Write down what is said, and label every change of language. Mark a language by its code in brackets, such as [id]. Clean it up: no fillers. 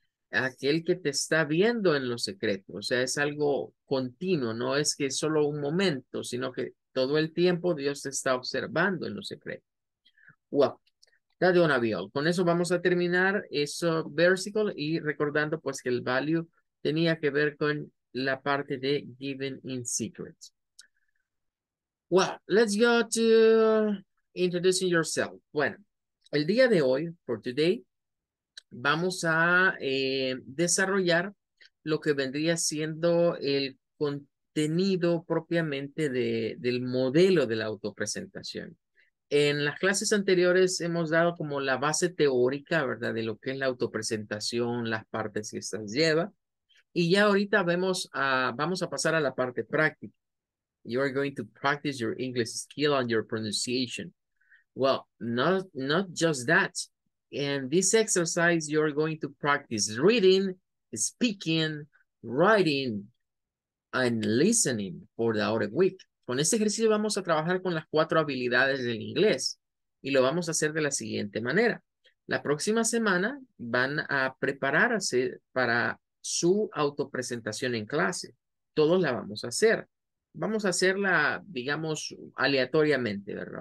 [es] Aquel que te está viendo en lo secreto. O sea, es algo continuo. No es que solo un momento, sino que Todo el tiempo Dios te está observando en lo secreto. Wow. [en] That don't be all. [es] Con eso vamos a terminar ese versículo y recordando pues que el value tenía que ver con la parte de giving in secret. [en] Well, let's go to introducing yourself. [es] Bueno, el día de hoy, [en] for today, [es] vamos a desarrollar lo que vendría siendo el contenido propiamente del modelo de la autopresentación. En las clases anteriores hemos dado como la base teórica, ¿verdad?, de lo que es la autopresentación, las partes que estas lleva. Y ya ahorita vamos a pasar a la parte práctica. [en] You are going to practice your English skill and your pronunciation. Well, not just that. In this exercise, you're going to practice reading, speaking, writing, and listening for the other week. [es] Con este ejercicio vamos a trabajar con las cuatro habilidades del inglés. Y lo vamos a hacer de la siguiente manera. La próxima semana van a prepararse para su autopresentación en clase. Todos la vamos a hacer. Vamos a hacerla, digamos, aleatoriamente, ¿verdad?